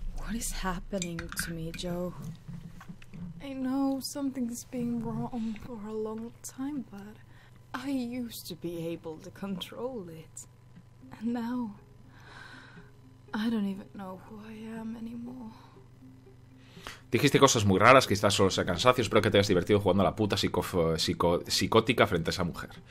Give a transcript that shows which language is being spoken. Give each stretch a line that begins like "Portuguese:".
Spanish: ¿Qué está pasando conmigo, Joe? Lo sé, algo está mal por un largo tiempo, pero. Yo debería poder controlarlo. Y ahora.
English: I don't even know who I am anymore.
Spanish: Dijiste cosas muy raras, quizás solo sea cansancio. Espero que te hayas divertido jugando a la puta psicótica frente a esa mujer.